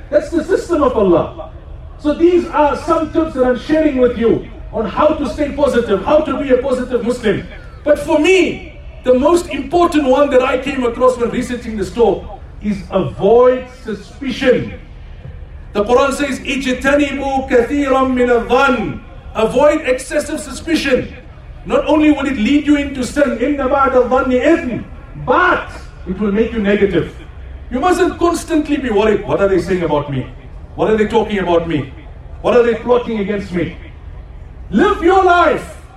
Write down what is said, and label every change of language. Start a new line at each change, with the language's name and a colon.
English: That's the system of Allah. So these are some tips that I'm sharing with you on how to stay positive, how to be a positive Muslim. But for me, the most important one that I came across when researching the store is avoid suspicion.
Arabic: The Quran says, اِجْتَنِبُوا كَثِيرًا مِنَ الظَّنِ.
English: Avoid excessive suspicion. Not only will it lead you into sin,
Arabic: إِنَّ بَعْدَ الظَّنِ إِذْنِ,
English: but it will make you negative. You mustn't constantly be worried. What are they saying about me? What are they talking about me? What are they plotting against me? Live your life.